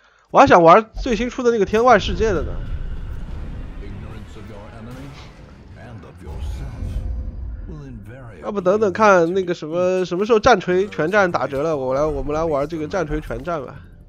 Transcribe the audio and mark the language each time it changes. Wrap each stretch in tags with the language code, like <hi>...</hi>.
<zh>我还想玩最新出的那个天外世界的呢。</zh> <en>Ignorance of your enemy and of yourself will invariably.</en> <zh>要不等等看那个什么什么时候战锤全战打折了，我们来玩这个战锤全战吧。</zh>